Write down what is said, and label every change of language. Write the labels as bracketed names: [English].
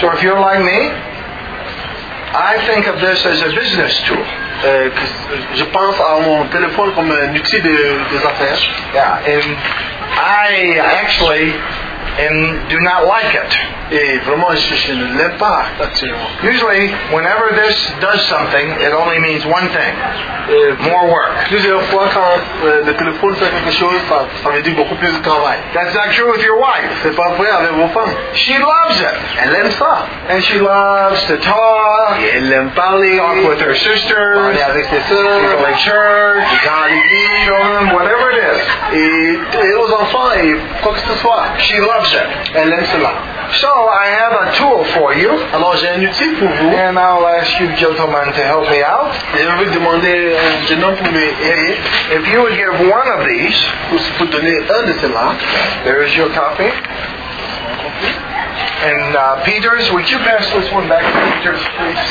[English] So if you're like me, I think of this as a business tool. [French] Je pense à mon téléphone comme un outil des affaires. [English] Yeah, and I actually and do not like it. [French] Et vraiment, je ne l'aime pas actuellement. [English] Usually, whenever this does something, it only means one thing. More work. [French] Plusieurs fois, quand le téléphone fait quelque chose, ça veut dire beaucoup plus de travail. [English] That's not true with your wife. [French] C'est pas vrai avec vos femmes. [English] She loves it. [French] Elle aime ça. [English] And she loves to talk. [French] Et elle aime parler. [English] Talk with her sisters. [French] Parler avec ses sœurs. [English] People at church. [French] Regarder les [English] children. Whatever it is. [French] et aux enfants et quoi que ce soit. [English] She loves it. [French] Elle aime cela. [English] So I have a tool for you. [French] Alors j'ai un outil pour vous. [English] And I'll ask you, gentlemen, to help me out. [French] Et je vais vous demander un jeune homme pour m'aider. [English] If you would give one of these, [French] vous pouvez donner un de cela. [English] There is your copy. And Peters, would you pass this one back to Peters, please?